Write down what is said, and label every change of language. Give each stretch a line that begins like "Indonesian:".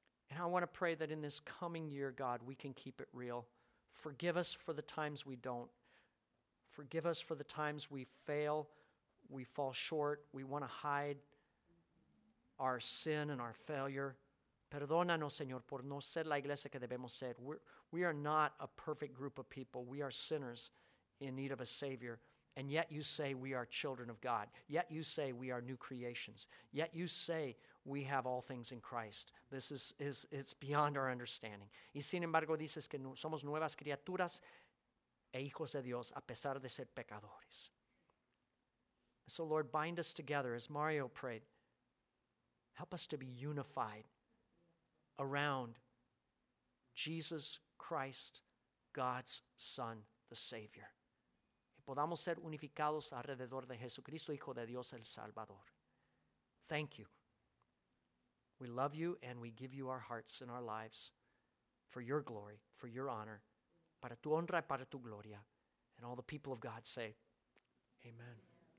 English: And I want to pray that in this coming year, God, we can keep it real. Forgive us for the times we don't. Forgive us for the times we fail, we fall short, we want to hide our sin and our failure.
Spanish: Perdónanos, Señor, por no ser la iglesia que debemos ser.
English: We are not a perfect group of people. We are sinners in need of a Savior. And yet you say we are children of God. Yet you say we are new creations. Yet you say we have all things in Christ. This is it's beyond our understanding.
Spanish: Y sin embargo dices que somos nuevas criaturas e hijos de Dios a pesar de ser pecadores.
English: So Lord, bind us together as Mario prayed. Help us to be unified around Jesus Christ, God's Son, the Savior.
Spanish: Que podamos ser unificados alrededor de Jesucristo, Hijo de Dios, el Salvador.
English: Thank you. We love you and we give you our hearts and our lives for your glory, for your honor,
Spanish: para tu honra y para tu gloria.
English: And all the people of God say, Amen.